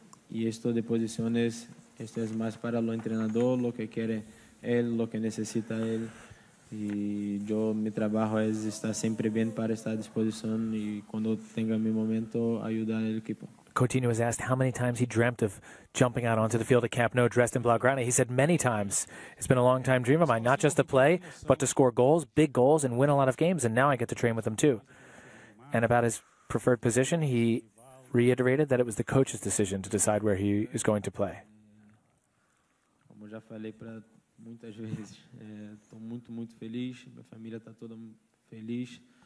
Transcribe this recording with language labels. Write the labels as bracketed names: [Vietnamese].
[Spanish] Y esto de posiciones, esto es más para el entrenador, lo que quiere él, lo que necesita él. Y yo, mi trabajo es estar siempre bien para estar a disposición y cuando tenga mi momento, ayudar al equipo. [English] Coutinho was asked how many times he dreamt of jumping out onto the field at Camp Nou dressed in Blaugrana. He said many times. It's been a long time dream of mine, not just to play, but to score goals, big goals, and win a lot of games. And now I get to train with him too. And about his preferred position, he reiterated that it was the coach's decision to decide where he is going to play. [Portuguese] Como já falei para muitas vezes, estou muito, muito feliz. Minha família está toda feliz.